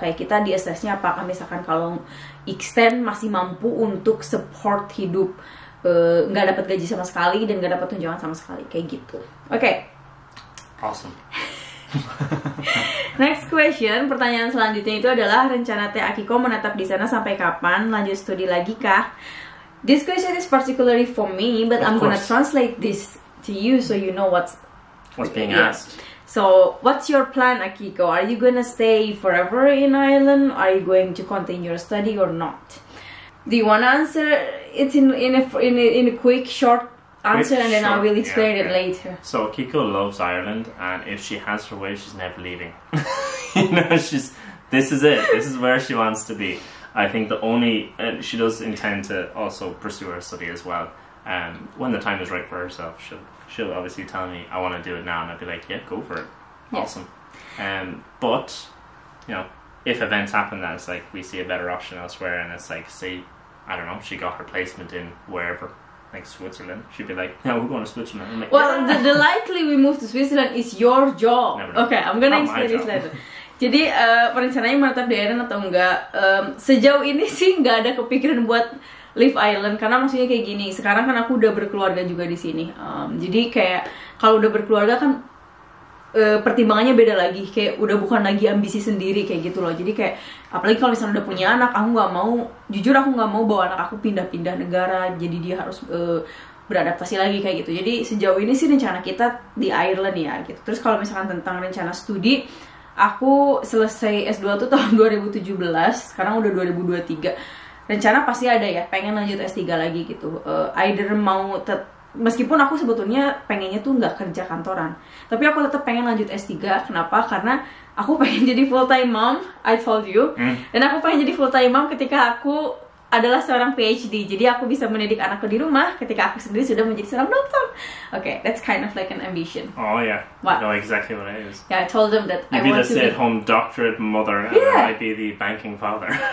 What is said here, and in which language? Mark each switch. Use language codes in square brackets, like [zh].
[id] Kayak kita di assessnya apakah misalkan kalau extend masih mampu untuk support hidup, enggak dapat gaji sama sekali dan enggak dapat tunjangan sama sekali, kayak gitu. Oke. [en] Okay. Awesome. Next question, [id] pertanyaan selanjutnya itu adalah rencana Teh Akiko menetap di sana sampai kapan? Lanjut studi lagi kah? [en] This question is particularly for me, but I'm gonna translate this to you so you know what's being asked. So, what's your plan, Akiko? Are you gonna stay forever in Ireland? Are you going to continue your study or not? Do you want to answer it in a quick, short answer, quick, and then short, I will explain it later? So, Akiko loves Ireland, and if she has her way, she's never leaving. You know, this is it. This is where she wants to be. I think the only... she does intend to also pursue her study as well. When the time is right for herself, she'll obviously tell me, I want to do it now, and I'd be like, yeah, go for it. Yeah. Awesome. But, you know, if events happen that it's like, we see a better option elsewhere, and it's like, say, I don't know, she got her placement in wherever, like Switzerland, she'd be like, yeah, we're going to Switzerland. I'm like, well, yeah. the likely we move to Switzerland is your job. Okay, I'm going to explain this later. [id] Jadi perencanaannya menetap di Ireland atau enggak, sejauh ini sih enggak ada kepikiran buat leave Ireland karena maksudnya kayak gini, sekarang kan aku udah berkeluarga juga di sini. Jadi kayak kalau udah berkeluarga kan pertimbangannya beda lagi, kayak udah bukan lagi ambisi sendiri kayak gitu loh. Jadi kayak apalagi kalau misalnya udah punya anak, aku enggak mau, jujur aku enggak mau bawa anak aku pindah-pindah negara, jadi dia harus beradaptasi lagi kayak gitu. Jadi sejauh ini sih rencana kita di Ireland ya gitu. Terus kalau misalkan tentang rencana studi, aku selesai S2 tuh tahun 2017, sekarang udah 2023. rencana pasti ada ya, pengen lanjut S3 lagi gitu. Either mau meskipun aku sebetulnya pengennya tuh nggak kerja kantoran, tapi aku tetap pengen lanjut S3. Kenapa? Karena aku pengen jadi [en] full time mom, I told you. [id] Dan aku pengen jadi full time mom ketika aku adalah seorang PhD. Jadi aku bisa mendidik anakku di rumah ketika aku sendiri sudah menjadi seorang dokter. [en] Okay, that's kind of like an ambition. Oh yeah. What? I know exactly what it is. Yeah, I told them that I want to be the stay-at-home doctorate mother, yeah. And I might be the banking father.